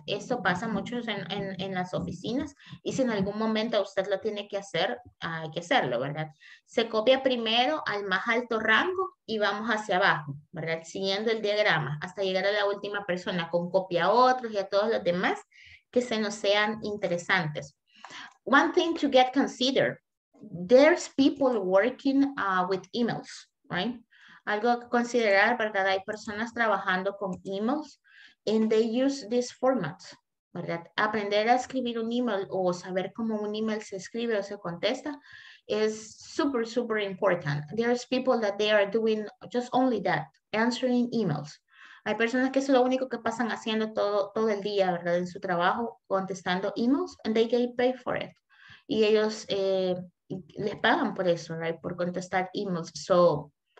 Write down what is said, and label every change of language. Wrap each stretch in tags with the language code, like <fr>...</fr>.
<es>Esto pasa mucho en las oficinas y si en algún momento usted lo tiene que hacer, hay que hacerlo, ¿verdad? Se copia primero al más alto rango y vamos hacia abajo, ¿verdad? Siguiendo el diagrama hasta llegar a la última persona con copia a otros y a todos los demás que se nos sean interesantes.</es> <en>One thing to get considered, there's people working with emails, right?</en> <es>Algo a considerar, ¿verdad? Hay personas trabajando con emails</es> <en>and they use this format,</en> <es>¿verdad? Aprender a escribir un email o saber cómo un email se escribe o se contesta</es> <en>is super, super important. There's people that they are doing just only that, answering emails.</en> <es>Hay personas que es lo único que pasan haciendo todo el día, ¿verdad? En su trabajo, contestando emails</es> <en>and they get paid for it.</en> <es>Y ellos les pagan por eso, ¿verdad? Por contestar emails. So,</es>